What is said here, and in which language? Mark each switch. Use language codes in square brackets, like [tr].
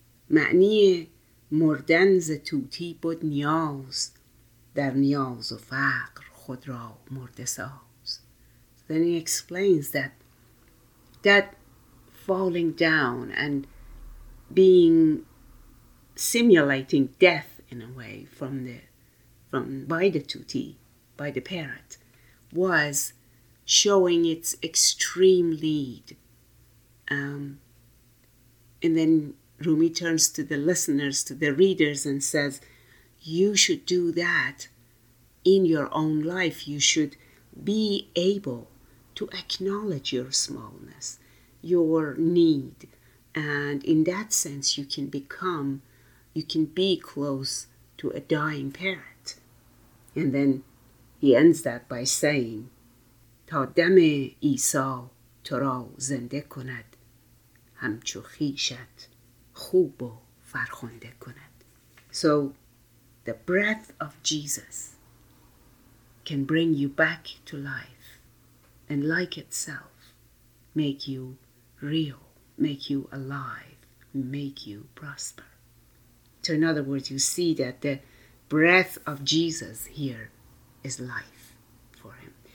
[fa] معنی مردن ز توتی بود نیاز. در نیاز و فقر خود را مرده ساز. [en] Then he explains that falling down and being simulating death in a way by the parrot, was showing its extreme need. And then Rumi turns to the listeners, to the readers, and says, you should do that in your own life. You should be able to acknowledge your smallness, your need. And in that sense, you can be close to a dying parrot. And then he ends that by saying, [fa] تا دم عیسی تو را زنده کند همچو خیشت خوب و فرخنده کند. [en] So the breath of Jesus can bring you back to life and like itself make you real, make you alive, make you prosper. So in other words, you see that the breath of Jesus here is life for him.